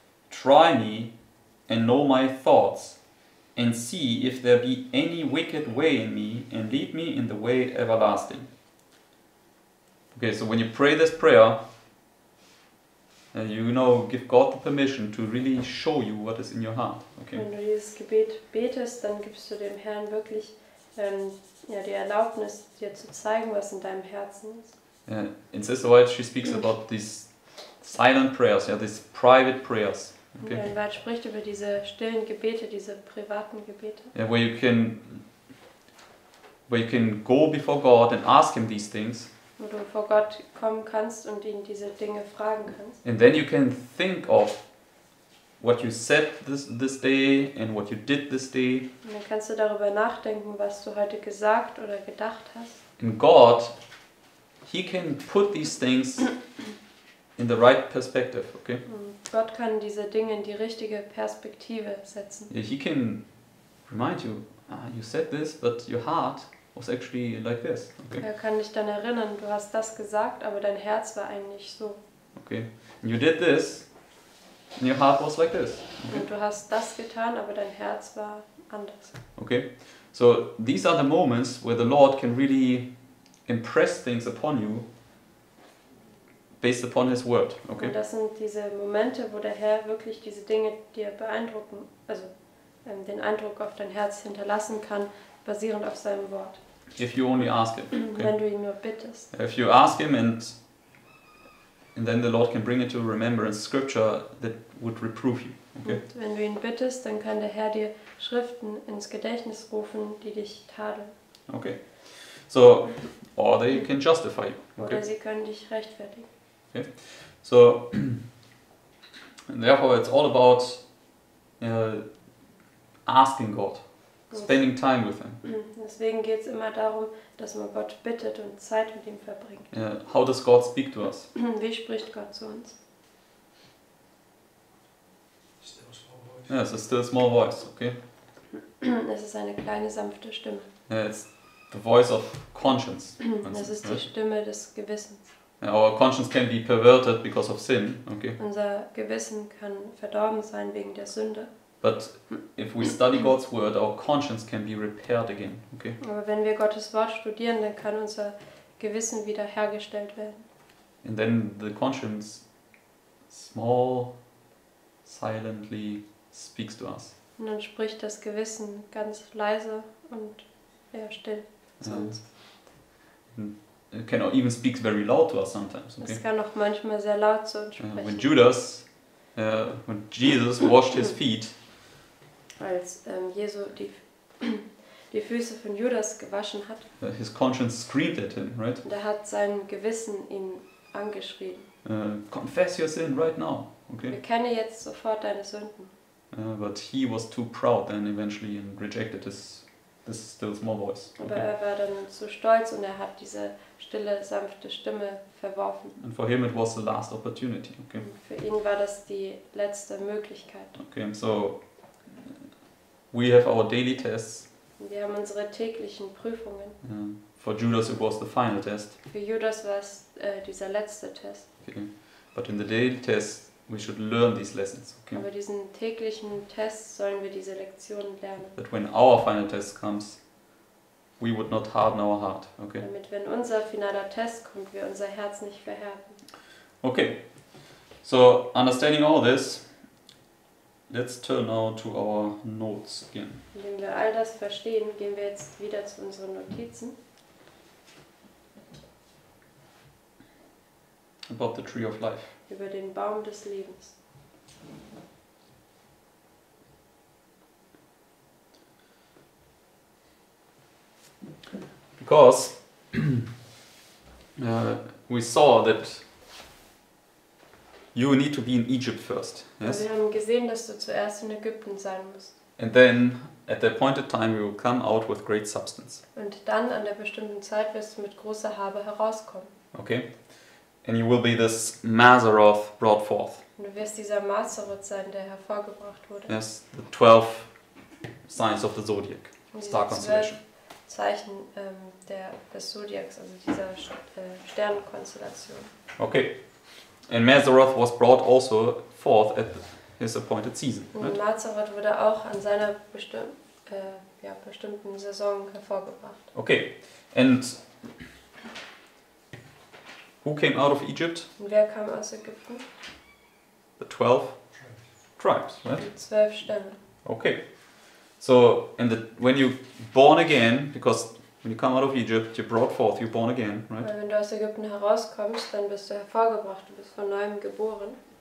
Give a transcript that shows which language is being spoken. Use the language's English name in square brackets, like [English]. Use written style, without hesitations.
[English] Try me, and know my thoughts, and see if there be any wicked way in me, and lead me in the way everlasting." Okay, so when you pray this prayer, give God the permission to really show you what is in your heart. Okay. [German] Wenn du dieses Gebet betest, dann gibst du dem Herrn wirklich die Erlaubnis, dir zu zeigen, was in deinem Herzen ist. [English] Yeah. In Sister White, she speaks about these silent prayers, these private prayers. Okay. [German] Ja, White spricht über diese stillen Gebete, diese privaten Gebete. [English] Yeah, where you can go before God and ask him these things. [German] Wo du vor Gott kommen kannst und ihn diese Dinge fragen kannst. [English] And then you can think of what you said this day and what you did this day. [German] Und dann kannst du darüber nachdenken, was du heute gesagt oder gedacht hast. [English] And God, he can put these things in the right perspective, okay? [German] Gott kann diese Dinge in die richtige Perspektive setzen. [English] Yeah, he can remind you, you said this, but your heart was actually like this. Okay. [German] Er kann dich dann erinnern, du hast das gesagt, aber dein Herz war eigentlich so. [English] Okay. And you did this, and your heart was like this. Okay. [German] Und du hast das getan, aber dein Herz war anders. [English] Okay. So these are the moments where the Lord can really impress things upon you based upon his word. Okay. [German] Und das sind diese Momente, wo der Herr wirklich diese Dinge dir beeindrucken, also den Eindruck auf dein Herz hinterlassen kann, basierend auf seinem Wort. [English] If you only ask him, okay. [German] Wenn du ihn nur bittest. [English] If you ask him and then the Lord can bring it to remembrance scripture that would reprove you. Okay. [German] Und wenn du ihn bittest, dann kann der Herr dir Schriften ins Gedächtnis rufen, die dich tadeln. [English] Okay. So, or they can justify you. Okay. [German] Oder sie können dich rechtfertigen. [English] Okay. So, and therefore it's all about asking God. Spending time with him. [German] Deswegen geht es immer darum, dass man Gott bittet und Zeit mit ihm verbringt. [English] Yeah. How does God speak to us? [German] Wie spricht Gott zu uns? [English] Yeah, it's a still small voice, okay? [German] Es ist eine kleine, sanfte Stimme. [English] Yeah, it's the voice of conscience. [German] Es ist die Stimme des Gewissens. [English] Yeah, our conscience can be perverted because of sin, okay? [German] Unser Gewissen kann verdorben sein wegen der Sünde. [English] But if we study God's word, our conscience can be repaired again. Okay. [German] Aber wenn wir Gottes Wort studieren, dann kann unser Gewissen wiederhergestellt werden. [English] And then the conscience small, silently speaks to us. [German] Und dann spricht das Gewissen ganz leise und eher still zu uns. [English] It can even speak very loud to us sometimes. Okay. [German] Es kann auch manchmal sehr laut zu uns sprechen. [English] When Jesus washed his feet. [German] Als Jesu die Füße von Judas gewaschen hat. [English] His conscience screamed at him, right? [German] Da hat sein Gewissen ihn angeschrien. [English] Confess your sin right now, okay? [German] Bekenne jetzt sofort deine Sünden. [English] But he was too proud then eventually and rejected this still small voice. Okay? [German] Aber er war dann zu stolz und er hat diese stille, sanfte Stimme verworfen. [English] And for him it was the last opportunity, okay? [German] Und für ihn war das die letzte Möglichkeit. [English] Okay, so we have our daily tests. [German] Wir haben unsere täglichen Prüfungen. [English] Yeah. For Judas it was the final test. [German] Für Judas war es dieser letzte Test. [English] Okay. But in the daily test We should learn these lessons. Okay. [German] Aber diesen täglichen Tests sollen wir diese Lektionen lernen. [English] That when our final test comes, we would not harden our heart. Okay. [German] Damit, wenn unser finaler Test kommt, wir unser Herz nicht verhärten. [English] Okay. So, understanding all this, let's turn now to our notes again. [German] Wenn wir all das verstehen, gehen wir jetzt wieder zu unseren Notizen. [English] About the tree of life. [German] Über den Baum des Lebens. [English] Because we saw that you need to be in Egypt first. Yes? [German] Wir haben gesehen, dass du zuerst in Ägypten sein musst. [English] And then at the appointed time we will come out with great substance. [German] Und dann an der bestimmten Zeit wirst du mit großer Habe herauskommen. [English] Okay. And you will be this Maseroth brought forth. [German] Und du wirst dieser Maseroth sein, der hervorgebracht wurde. [English] Yes, the 12 signs of the zodiac, star constellation. [German] Zeichen des Zodiacs, also dieser Sternkonstellation. [English] Okay. And Maseroth was brought also forth at his appointed season. [German] Und Maseroth wurde auch an seiner bestimmten Saison hervorgebracht. [English] Okay. And who came out of Egypt? [German] Und wer kam aus Ägypten? [English] The 12 tribes, right? [German] Die 12 Stämme. [English] Okay. So, and when you're born again, because when you come out of Egypt, you're brought forth, you're born again, right? [German] Weil wenn du aus Ägypten herauskommst, dann bist du hervorgebracht, du bist von neuem geboren.